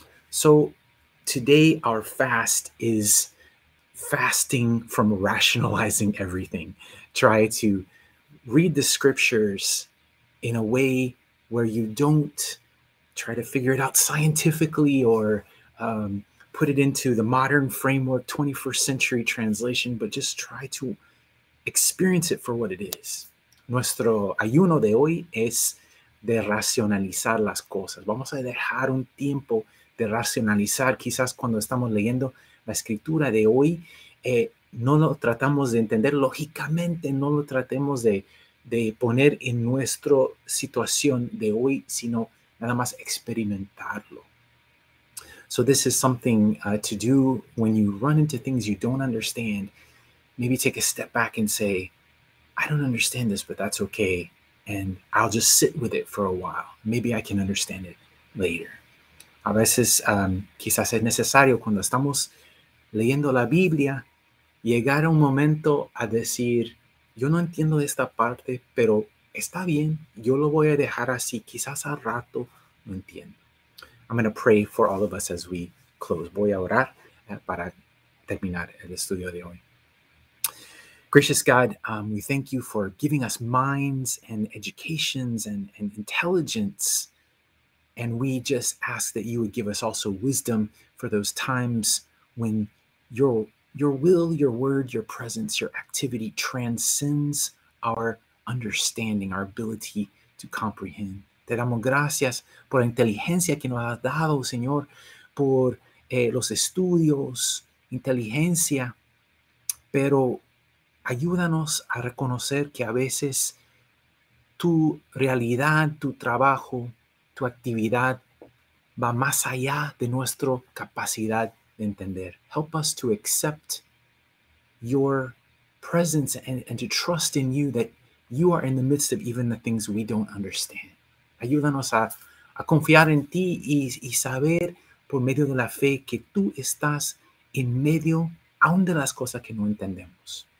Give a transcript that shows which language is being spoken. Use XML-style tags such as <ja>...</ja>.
<en>So today our fast is fasting from rationalizing everything. Try to read the scriptures in a way where you don't try to figure it out scientifically or put it into the modern framework, 21st century translation, but just try to experience it for what it is.</en> <es>Nuestro ayuno de hoy es de racionalizar las cosas. Vamos a dejar un tiempo de racionalizar. Quizás cuando estamos leyendo la escritura de hoy, no lo tratamos de entender lógicamente, no lo tratemos de poner en nuestra situación de hoy, sino nada más experimentarlo.</es> <en>So this is something to do when you run into things you don't understand. Maybe take a step back and say, I don't understand this, but that's okay. And I'll just sit with it for a while. Maybe I can understand it later.</en> <es>A veces quizás es necesario cuando estamos leyendo la Biblia, llegar a un momento a decir, yo no entiendo esta parte, pero está bien, yo lo voy a dejar así, quizás al rato lo entiendo.</es> <en>I'm going to pray for all of us as we close.</en> <es>Voy a orar para terminar el estudio de hoy.</es> <en>Gracious God, we thank you for giving us minds and educations and intelligence. And we just ask that you would give us also wisdom for those times when your will, your word, your presence, your activity transcends our understanding, our ability to comprehend.</en> <es>Te damos gracias por la inteligencia que nos has dado, Señor, por los estudios, inteligencia, pero ayúdanos a reconocer que a veces tu realidad, tu trabajo, tu actividad va más allá de nuestra capacidad de entender.</es> <en>Help us to accept your presence and to trust in you that you are in the midst of even the things we don't understand.</en> <es>Ayúdanos a confiar en ti y saber por medio de la fe que tú estás en medio aún de las cosas que no entendemos.</es>